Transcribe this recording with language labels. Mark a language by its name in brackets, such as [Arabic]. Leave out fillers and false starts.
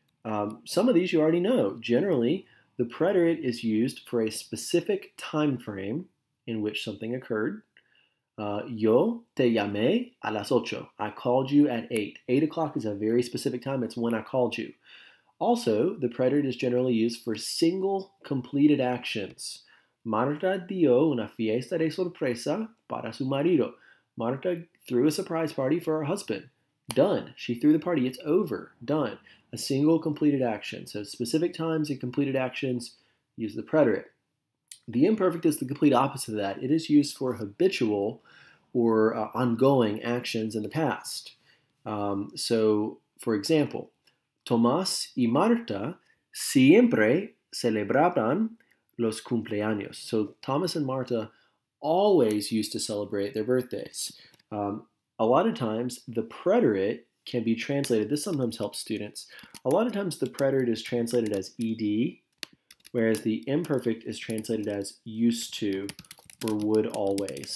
[English] Some of these you already know. Generally, the preterite is used for a specific time frame in which something occurred. [Spanish] Yo te llamé a las ocho. [English] I called you at 8. 8 o'clock is a very specific time. It's when I called you. Also, the preterite is generally used for single completed actions. [Spanish] Marta dio una fiesta de sorpresa para su marido. [English] Marta threw a surprise party for her husband. Done. She threw the party. It's over. Done. A single completed action. So specific times and completed actions, use the preterite. The imperfect is the complete opposite of that. It is used for habitual or ongoing actions in the past. So, for example, [Spanish] Tomás y Marta siempre celebraban los cumpleaños. [English] So Thomas and Marta always used to celebrate their birthdays. A lot of times the preterite can be translated, this sometimes helps students, a lot of times the preterite is translated as ed, whereas the imperfect is translated as used to or would always.